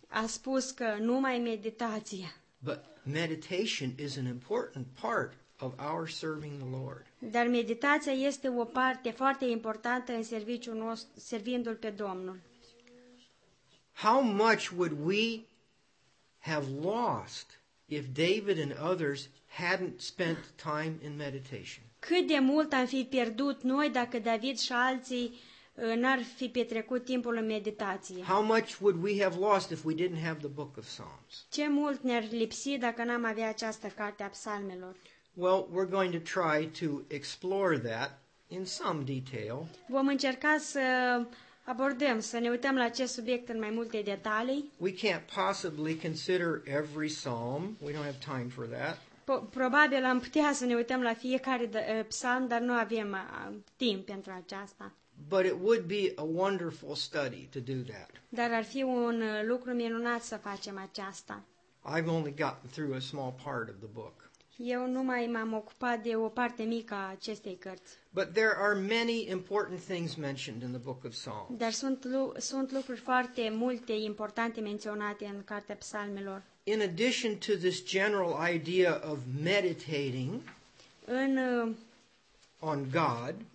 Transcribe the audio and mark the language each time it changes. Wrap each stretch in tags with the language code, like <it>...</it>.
<ro>A spus că numai meditație.</ro> <en>But meditation is an important part of our serving the Lord.</en> <ro>Dar meditația este o parte foarte importantă în serviciul nostru, servindu-L pe Domnul.</ro> <en>How much would we have lost if David and others hadn't spent time in meditation?</en> <ro>Cât de mult am fi pierdut noi dacă David și alții n-ar fi petrecut timpul în meditație?</ro> <en>How much would we have lost if we didn't have the book of Psalms?</en> <ro>Ce mult ne-ar lipsi dacă n-am avea această carte a psalmelor?</ro> <en>Well, we're going to try to explore that in some detail.</en> <ro>Vom încerca să abordăm, să ne uităm la acest subiect în mai multe detalii.</ro> <en>We can't possibly consider every psalm. We don't have time for that.</en> <ro>Probabil am putea să ne uităm la fiecare psalm, dar nu avem timp pentru aceasta.</ro> <en>But it would be a wonderful study to do that.</en> <ro>Dar ar fi un lucru minunat să facem aceasta.</ro> <en>I've only gotten through a small part of the book.</en> <ro>Eu numai m-am ocupat de o parte mică a acestei cărți.</ro> <en>But there are many important things mentioned in the book of Psalms.</en> <ro>Dar sunt lucruri foarte multe importante menționate în cartea psalmelor.</ro> <en>In addition to this general idea of meditating on God,</en>